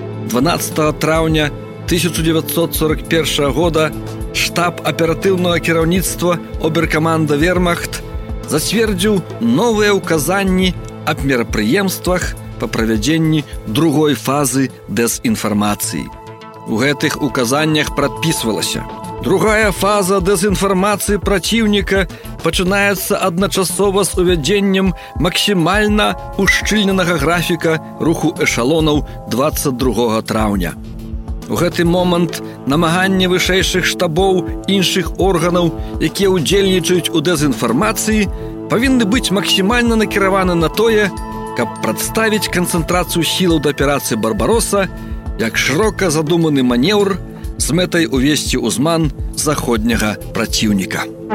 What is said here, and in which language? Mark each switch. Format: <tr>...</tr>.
<be>12 траўня 1941 года штаб аператыўнага кіраўніцтва Оберкаманда Вермахт зацвердзіў новыя ўказанні аб мерапрыемствах па правядзенні другой фазы дэзінфармацыі. У гэтых указаннях прадпісвалася:</be> <uk>Другая фаза дезінформації противника починається одночасово з уведенням максимально ущільненого графіка руху ешелонов 22 травня.</uk> <be>У гэтый момант намагання вышэйшых штабоў іншых органаў, якія ўдзельнічаюць у дэзінфармацыі, павінны быць максімальна накіраваны на тое, каб прадставіць канцэнтрацыю сілаў да аперацыі «Барбароса» як шырока задуманы манеўр з мэтай увесці ў зман заходняга праціўніка.</be>